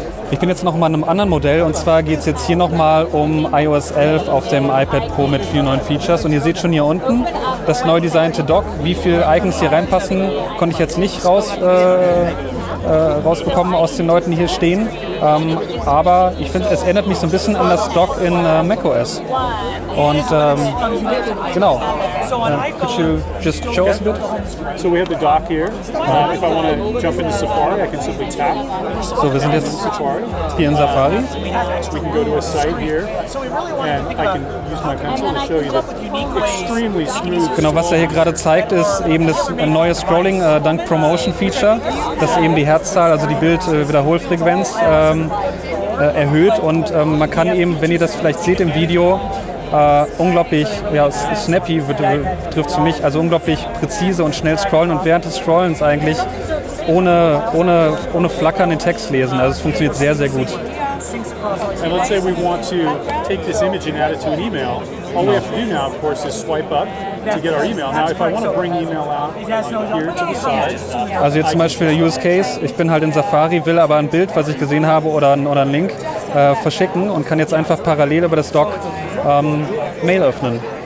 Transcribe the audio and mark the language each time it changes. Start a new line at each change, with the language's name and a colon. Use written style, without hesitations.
German: Ich bin jetzt nochmal in einem anderen Modell und zwar geht es jetzt hier nochmal um iOS 11 auf dem iPad Pro mit vielen neuen Features und ihr seht schon hier unten das neu designte Dock. Wie viele Icons hier reinpassen, konnte ich jetzt nicht rausbekommen aus den Leuten, die hier stehen, aber ich finde, es erinnert mich so ein bisschen an das Dock in macOS. Und genau.
English: Could you just show us a bit? So we have the dock here. If I want to jump into Safari, I can simply tap.
German: So wir sind jetzt hier in Safari.
English: We can go to a site here, and I can use my pencil to show you the extremely smooth.
German: Genau, was er hier gerade zeigt, ist eben das neue Scrolling dank Promotion Feature, das eben die Herzzahl, also die Bildwiederholfrequenz erhöht. Und man kann eben, wenn ihr das vielleicht seht im Video, unglaublich, ja, snappy trifft es für mich, also unglaublich präzise und schnell scrollen und während des Scrollens eigentlich ohne Flackern den Text lesen. Also es funktioniert sehr, sehr gut.
English: And let's say we want to take this image and add it to an email. All we have to do now, of course, is swipe up to get our email. Now, if I want to bring email out here to the side.
German: Also jetzt zum Beispiel der Use Case, ich bin halt in Safari, will aber ein Bild, was ich gesehen habe, oder einen Link verschicken und kann jetzt einfach parallel über das Dock Mail öffnen.